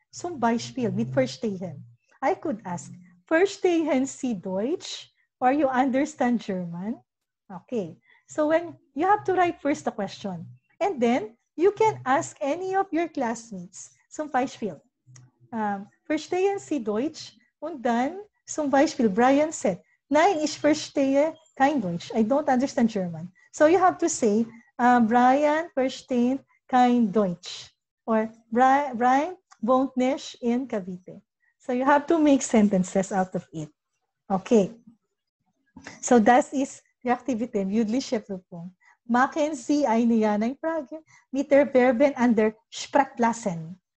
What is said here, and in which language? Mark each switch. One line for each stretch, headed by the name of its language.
German: Zum Beispiel, mit verstehen.
English: I could ask,
German: verstehen Sie Deutsch?
English: Or you understand German? Okay. So when you have to write first the question. And then, you can ask any of your classmates.
German: Zum Beispiel, verstehen Sie Deutsch? Und dann, zum Beispiel, Brian said, nein, ich verstehe kein Deutsch.
English: I don't understand German. So you have to say,
German: Brian versteht kein Deutsch. Or Brian wohnt nicht in Cavite.
English: So you have to make sentences out of it. Okay. So that is the activity.
German: Jüdliche Prüfung. Machen Sie eine ja-nein Frage mit der Verben under Sprechklassen.